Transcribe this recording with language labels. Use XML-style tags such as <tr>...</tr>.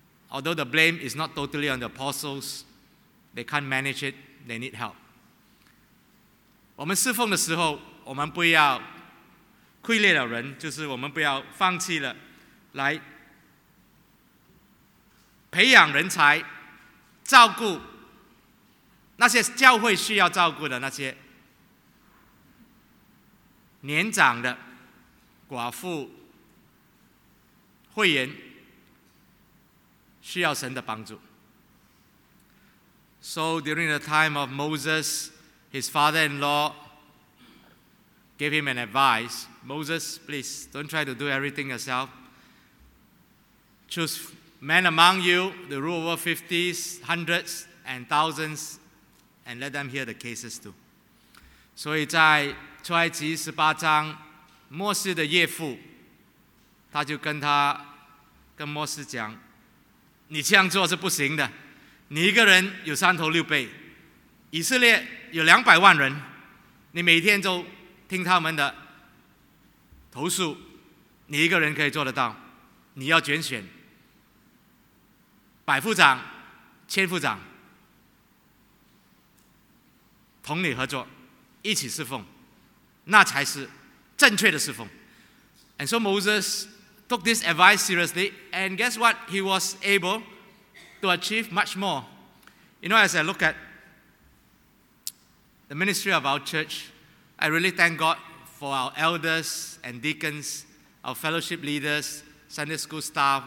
<en>Although the blame is not totally on the apostles, they can't manage it. They need help.</en> <zh>我们侍奉的时候, 我们不要亏裂了人, 就是我们不要放弃了, 来培养人才, 照顾, 那些教会需要照顾的那些年长的寡妇会员需要神的帮助.</zh> <en>So during the time of Moses, his father-in-law gave him an advice. Moses, please, don't try to do everything yourself. Choose men among you, the rule over 50s, hundreds, and thousands, and let them hear the cases too.</en> <zh>所以在出埃及18章, 摩西的岳父他就跟摩西讲, 你这样做是不行的, 你一个人有三头六臂, 以色列有200万人, 你每天都听他们的投诉, 你一个人可以做得到, 你要拣选, 百夫长, 千夫长, 同你合作, 一起侍奉, 那才是正确的侍奉.</zh> <en>And so Moses took this advice seriously, and guess what? He was able to achieve much more. You know, as I look at the ministry of our church, I really thank God for our elders and deacons, our fellowship leaders, Sunday school staff.</en>